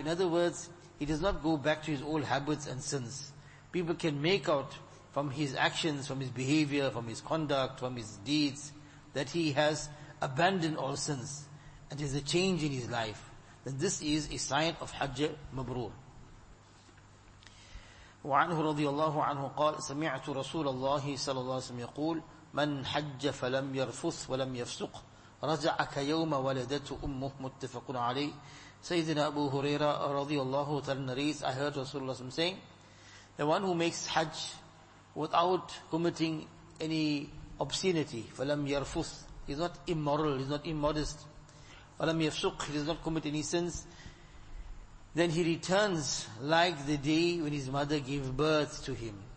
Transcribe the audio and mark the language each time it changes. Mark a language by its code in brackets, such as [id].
[en] In other words, he does not go back to his old habits and sins. People can make out from his actions, from his behavior, from his conduct, from his deeds, that he has abandon all sins, and is a change in his life, then this is a sign of Hajj Mabrur. [ar] وعنه رضي الله عنه قال سمعت رسول الله صلى الله عليه وسلم يقول من حج فلم يرفث ولم يفسق رجع كيوم ولدته أمه. متفق عليه. سيدنا أبو هريرة رضي الله تعالى [en] narrates, I heard Rasulullah [ar] صلى الله عليه وسلم [en] saying, the one who makes Hajj without committing any obscenity, [ar] فلم يرفث, [en] he's not immoral, he's not immodest, [ar] وَلَمْ يَفْسُقْ, [en] he does not commit any sins, then he returns like the day when his mother gave birth to him.